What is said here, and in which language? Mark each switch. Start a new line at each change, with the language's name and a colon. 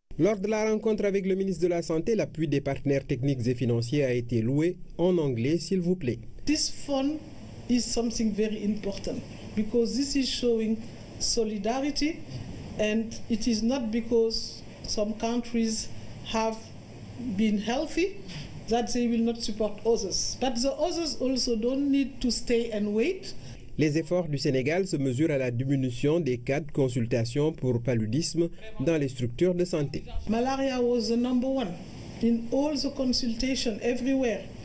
French: Lors de la rencontre avec le ministre de la Santé, l'appui des partenaires techniques et financiers a été loué en anglais, s'il vous plaît.
English: This phone is something very important because this is showing solidarity and it is not because some countries have been healthy that they will not support others. But the others also don't need to stay and wait.
French: Les efforts du Sénégal se mesurent à la diminution des cas de consultation pour paludisme dans les structures de santé.
English: Malaria was the number one in all the consultations everywhere.